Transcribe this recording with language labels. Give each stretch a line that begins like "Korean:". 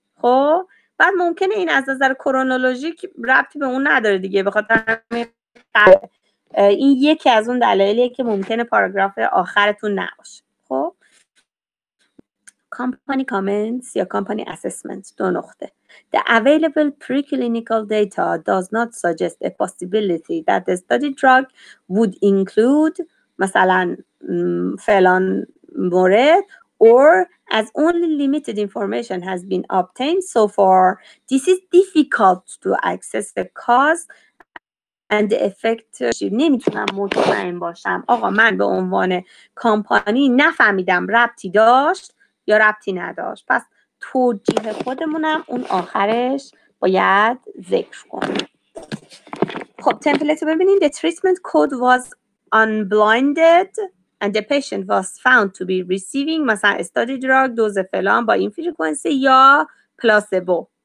Persian: خب بعد ممکنه این از نظر کرونولوژیک ربطی به اون نداره دیگه، به خاطر این یکی از اون دلایلیه که ممکنه پاراگراف آخرتون نباشه. خب کمپانی کامنتس یا کمپانی اسسمنت، دو نقطه.
English: The available preclinical data does not suggest a possibility that the study drug would include
Persian: مثلا فلان مورد،
English: or as only limited information has been obtained so far, this is difficult to access the cause and the effect.
Persian: نمیتونم مطمئن باشم آقا من به عنوان کمپانی نفهمیدم ربطی داشت یا ربطی نداشت. پس توجیه خودمونم اون آخرش باید ذکر کنم. خب تمپلیت رو ببینیم.
English: The treatment code was unblinded and the patient was found to be receiving مثلا study drug
Persian: دوز فلان با این فریکونسی یا پلاسبو.